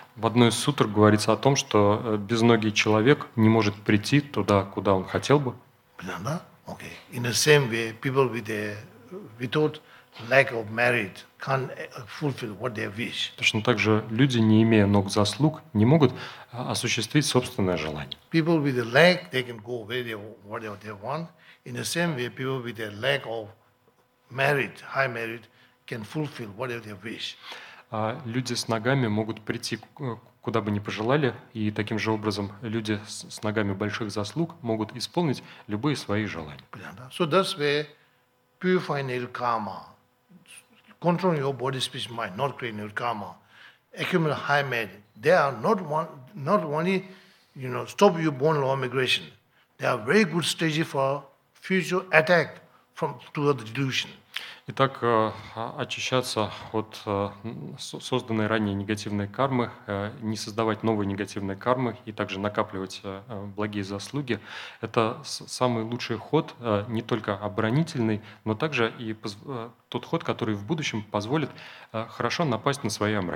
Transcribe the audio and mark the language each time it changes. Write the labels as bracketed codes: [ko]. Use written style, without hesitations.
[ru] В одной из сутр говорится о том, что безногий человек не может прийти туда, куда он хотел бы. [en] Okay. In the same way, people with a without lack of merit can't fulfill what they wish. [ru] Точно так же люди, не имея ног заслуг, не могут осуществить собственное желание. [en] People with a leg, they can go where they want. In the same way, people with a lack of merit, high merit, can fulfill whatever they wish. [ru] Люди с ногами могут прийти куда бы ни пожелали, и таким же образом люди с ногами больших заслуг могут исполнить любые свои желания. [en] So that's where purifying your karma, controlling your body, speech, mind, not creating your karma, accumulating high merit, they are not only, you know, stop you born low migration. They are very good strategy for future attack from toward the delusion. [ru] Итак, очищаться от созданной ранее негативной кармы, не создавать новой негативной кармы и также накапливать благие заслуги – это самый лучший ход, не только оборонительный, но также и тот ход, который в будущем позволит хорошо напасть на свои